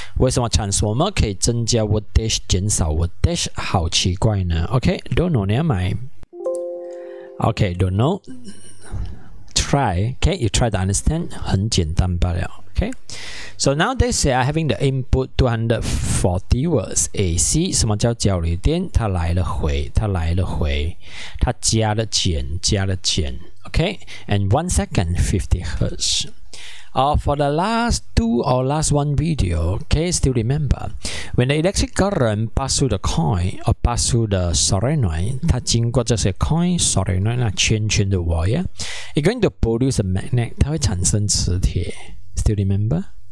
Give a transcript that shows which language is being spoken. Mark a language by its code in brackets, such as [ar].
[zh] 为什么 transformer 可以增加 voltage, 减少 voltage? 好奇怪呢 [en] Okay, don't know, never mind. Okay, don't know. Try, okay, you try to understand. [zh] 很简单罢了 [en] Okay, so now they say I'm having the input 240 watts AC. [zh] 什么叫交流电？它来了回，它来了回，它加了减，加了减。 [en] Okay, and 1 second, 50 Hz. For the last two or last one video, okay, still remember, when the electric current pass through the coin or pass through the solenoid, [zh] 它经过这些 coin, solenoid, 那圈圈的 wire, [en] it's going to produce a magnet, [zh] 它会产生磁铁 [en] Still remember?